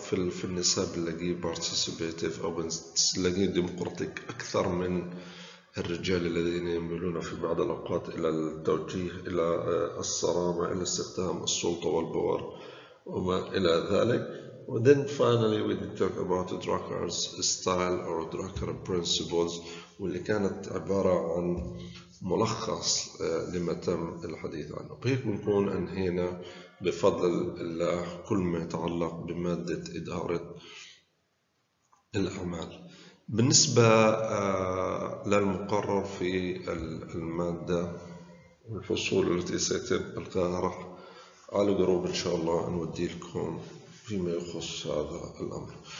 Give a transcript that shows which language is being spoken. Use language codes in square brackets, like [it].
[ar] في النساء بنلاقيه بارتيسيبيتيف أو بنلاقيه ديمقراطيك أكثر من الرجال الذين يميلون في بعض الأوقات إلى التوجيه، إلى الصرامة، إلى استخدام السلطة والباور وما إلى ذلك. [en] وthen finally we did talk about the Drucker's style or Drucker principles، [ar] واللي كانت عبارة عن ملخص لما تم الحديث عنه. بهيك بنكون أنهينا بفضل الله كل ما يتعلق بمادة إدارة الأعمال. بالنسبة للمقرر في المادة والفصول التي سيتم إلقائها على قروب إن شاء الله نودي لكم فيما يخص هذا الأمر.